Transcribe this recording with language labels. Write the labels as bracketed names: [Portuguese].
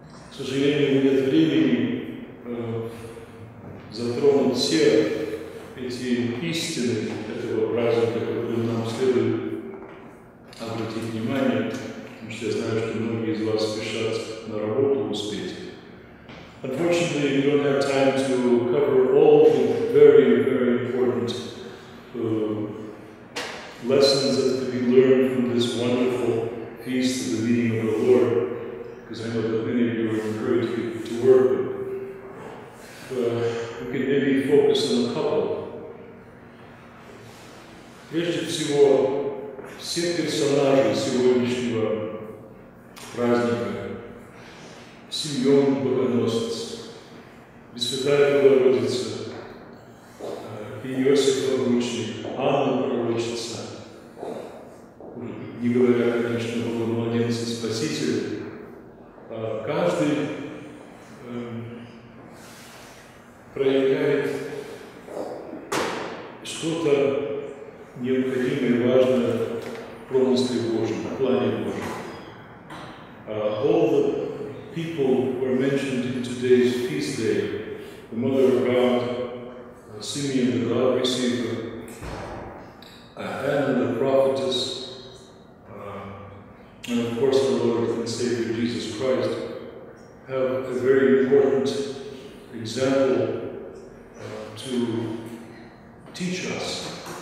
[Russian] К сожалению, нет времени затронуть все эти истины этого праздника, которые нам следует обратить внимание, потому что я знаю, что многие из вас спешат на работу успеть. [English] Unfortunately, we don't have time to cover all the very, very important lessons that can be learned from this wonderful feast of the meeting of the Lord, because I know that many of you are encouraged to work. We can maybe focus on a couple. [Russian] Прежде всего, все персонажи сегодняшнего праздника, Симеон Богоносец, Пресвятая Богородица, Иосиф Пророчник, Анна Пророчица, не говоря, конечно, о младенце Спасителе, каждый проявляет что-то необходимое и важное в промысле Божьем, в плане Божьем. [English] All the people who are mentioned in today's feast day, the Mother of God, Simeon the God Receiver, Anna the Prophetess, and of course our Lord and Savior Jesus Christ, have a very important example to teach us.